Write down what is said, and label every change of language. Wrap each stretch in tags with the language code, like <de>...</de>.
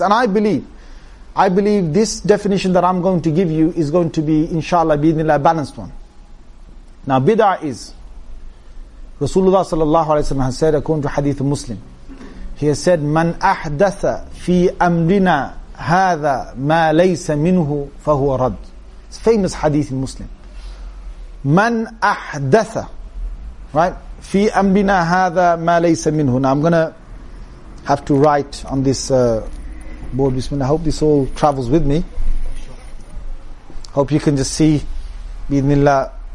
<en>And I believe this definition that I'm going to give you is going to be, inshallah, bi'idhnillah, a balanced one. Now, bid'ah is, Rasulullah sallallahu alayhi wa sallam has said, according to hadith of Muslim, he has said,</en> <ar>man ahdatha fi amrina هذا ما ليس منه فهو رد.</ar> <en>It's famous hadith in Muslim.</en> <ar>من أحدث,</ar> <en>right?</en> <ar>في أمرنا هذا ما ليس منه.</ar> <en>Now I'm gonna have to write on this board. Bismillah. I hope this all travels with me. Hope you can just see. Bismillah.</en>